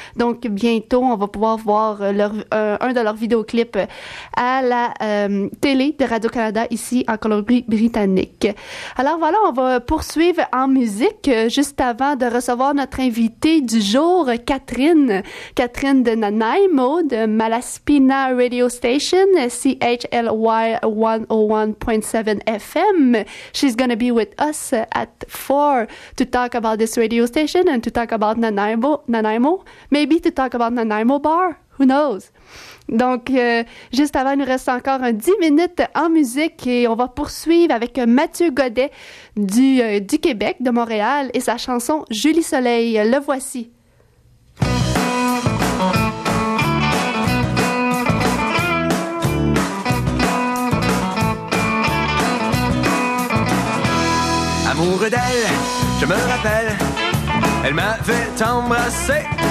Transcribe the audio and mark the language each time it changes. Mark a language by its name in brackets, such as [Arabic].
[French] Donc, bientôt, on va pouvoir voir un de leurs vidéoclips à la télé de Radio-Canada ici en Colombie-Britannique. Alors, voilà, on va poursuivre en musique juste avant de recevoir notre invitée du jour, Catherine de Nanaimo de Malaspina Radio Station, CHLY 101.7 FM. [English] She's going to be with us at 4 to talk about this radio station and to talk about Nanaimo. Maybe to talk about Nanaimo Bar, who knows? [French] Donc, juste avant, il nous reste encore 10 minutes en musique et on va poursuivre avec Mathieu Godet du Québec, de Montréal, et sa chanson « Julie Soleil ». Le voici. Amoureux d'elle, je me rappelle, elle m'avait embrassé.